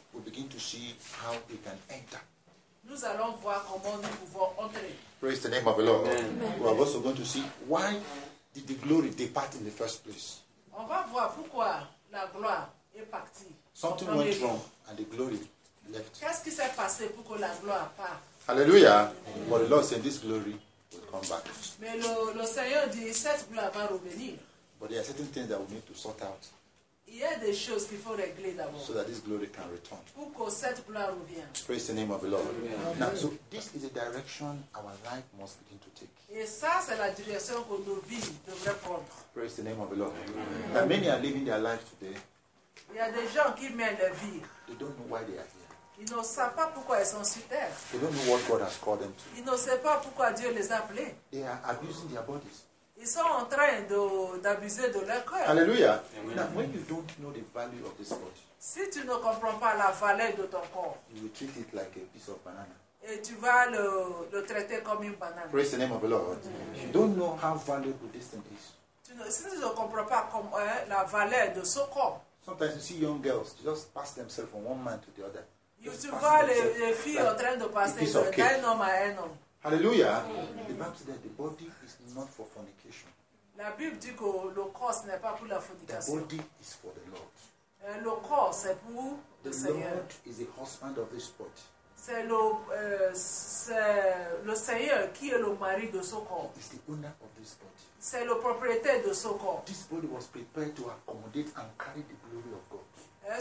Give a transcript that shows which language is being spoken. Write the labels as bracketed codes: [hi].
[en] we begin to see how we can enter. [fr] Nous allons voir comment nous pouvons entrer. [en] Praise the name of the Lord. Amen. We are also going to see why did the glory depart in the first place. [fr] On va voir pourquoi la gloire est partie. [en] Something went wrong and the glory left. [fr] Qu'est-ce qui s'est passé pour que la gloire part? [en] Hallelujah. Amen. But the Lord said this glory will come back. [fr] Mais le Seigneur dit cette gloire va revenir. [en] But there are certain things that we need to sort out. [fr] Il y a des choses qu'il faut régler d'abord. [en] So that this glory can return. [fr] Pour que cette gloire revienne. [en] Praise the name of the Lord. Amen. Now, so this is the direction our life must begin to take. [fr] Et ça, c'est la direction que nos vies devraient prendre. [en] Praise the name of the Lord. Amen. Now, many are living their life today. [fr] Il y a des gens qui mènent leur vie. [en] They don't know why they are here. [fr] Ils ne savent pas pourquoi ils sont sur terre. [en] They don't know what God has called them to. [fr] Ils ne savent pas pourquoi Dieu les a appelés. [en] They are abusing their bodies. [fr] Ils sont en train d'abuser de leur corps. [en] Hallelujah. Amen. Now, when you don't know the value of this body, [fr] si tu ne comprends pas la valeur de ton corps, [en] you will treat it like a piece of banana. [fr] Et tu vas le traiter comme une banane. [en] Praise the name of the Lord. Amen. You don't know how valuable this thing is. [fr] Si tu ne comprends pas la valeur de ce corps. [en] Sometimes you see young girls just pass themselves from one man to the other. [fr] Tu vois les filles en train de passer d'un homme à un homme. [en] Hallelujah. Amen. The Bible says that the body is not for fornication. [fr] La Bible dit que le corps n'est pas pour la fornication. [en] The body is for the Lord. [fr] Le corps c'est pour le Seigneur. [en] The Lord is the husband of this body. [fr] C'est le Seigneur qui est le mari de ce corps. [en] He is the owner of this body. [fr] C'est le propriétaire de ce corps. [en] This body was prepared to accommodate and carry the glory of God.